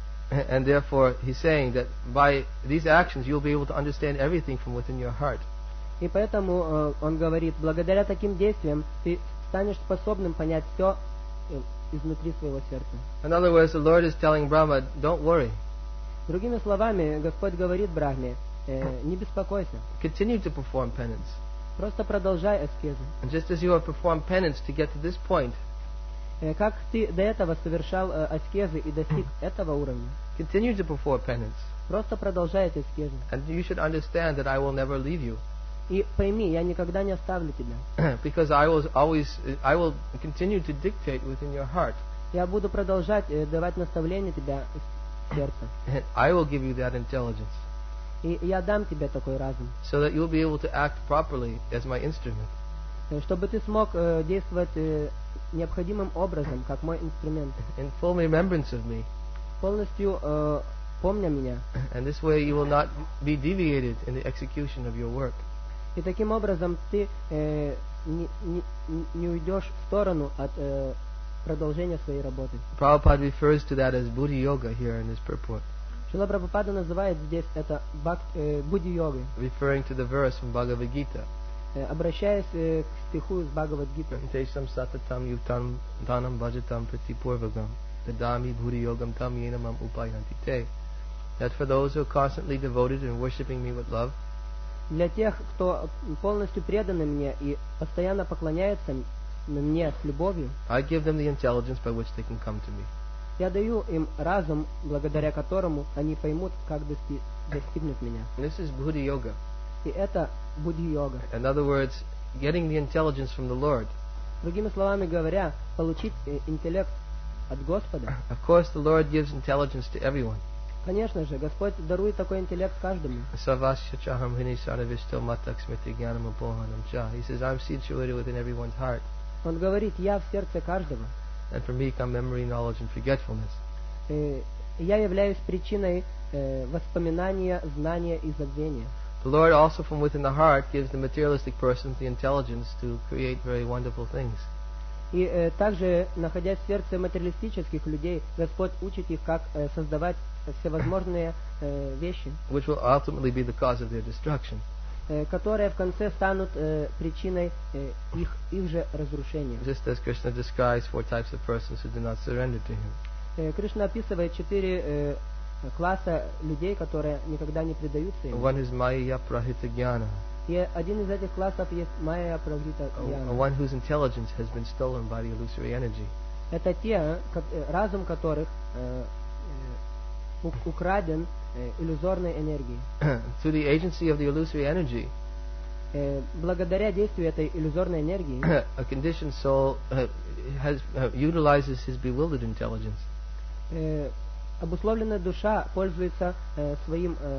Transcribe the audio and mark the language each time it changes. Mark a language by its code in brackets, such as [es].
[en] And therefore, he's saying that by these actions, you'll be able to understand everything from within your heart. [ru] И поэтому он говорит, благодаря таким действиям ты станешь способным понять все изнутри своего сердца. [en] In other words, the Lord is telling Brahma, don't worry. [ru] Другими словами, Господь говорит Брахме, не беспокойся. [en] Continue to perform penance. [ru] Просто продолжай аскезы. [en] And just as you have performed penance to get to this point, [ru] как ты до этого совершал аскезы и достиг этого уровня, [en] continue to perform penance. [ru] Просто продолжай эти аскезы. [en] And you should understand that I will never leave you. [ru] И пойми, я никогда не оставлю тебя. [en] Because I will continue to dictate within your heart. [ru] Я буду продолжать давать наставления тебя в сердце. [en] I will give you that intelligence. [ru] И я дам тебе такой разум. [en] So that you'll be able to act properly as my instrument. [ru] Чтобы ты смог действовать необходимым образом, как мой инструмент. [en] In full remembrance of me. [ru] Полностью помня меня. [en] And this way you will not be deviated in the execution of your work. [ru] И таким образом ты не уйдешь в сторону от продолжения своей работы. [en] Prabhupada refers to that as Buddha Yoga here in his purport. [ru] Шрила Прабхупада называет здесь это Будди-йогой. [en] Referring to the verse from Bhagavad Gita. [ru] Обращаясь к стиху из Бхагавад Гита. [sa] Тейшам сататам ютам данам баджатам прити пурвагам дадами Будди-йогам там йенамам упайанти те. [en] That for those who are constantly devoted and worshipping me with love. [ru] Для тех, кто полностью преданы мне и постоянно поклоняется мне с любовью. [en] I give them the intelligence by which they can come to me. [ru] Я даю им разум, благодаря которому они поймут, как достигнуть меня. [en] This is Buddha Yoga. [ru] И это Будди Йога. [en] In other words, getting the intelligence from the Lord. [ru] Другими словами говоря, получить интеллект от Господа. [en] Of course, the Lord gives intelligence to everyone. [ru] Конечно же, Господь дарует такой интеллект каждому. [sa] Savasya chaham hini sarvishto matak smriti gyanam upohanam cha. [en] He says, I'm situated within everyone's heart. [ru] Он говорит, я в сердце каждого. [en] And for me come memory, knowledge, and forgetfulness. [ru] Я являюсь причиной воспоминания, знания и забвения. [en] The Lord also from within the heart gives the materialistic person the intelligence to create very wonderful things. [ru] И также, находясь в сердце материалистических людей, Господь учит их, как создавать всевозможные вещи. [en] Which will ultimately be the cause of their destruction. [ru] Которые в конце станут причиной их же разрушения. [en] Just as Krishna describes four types of persons who do not surrender to him. [ru] Кришна описывает четыре класса людей, которые никогда не предаются ему. [en] One is Maya Prahita Jnana. [ru] И один из этих классов есть Maya Prahita Jnana. [en] One whose intelligence has been stolen by the illusory energy. [ru] Это те, разум которых украден иллюзорной энергии. [en] Through the agency of the illusory energy, [ru] благодаря действию этой иллюзорной энергии, [en] a conditioned soul utilizes his bewildered intelligence. [ru] Обусловленная душа пользуется своим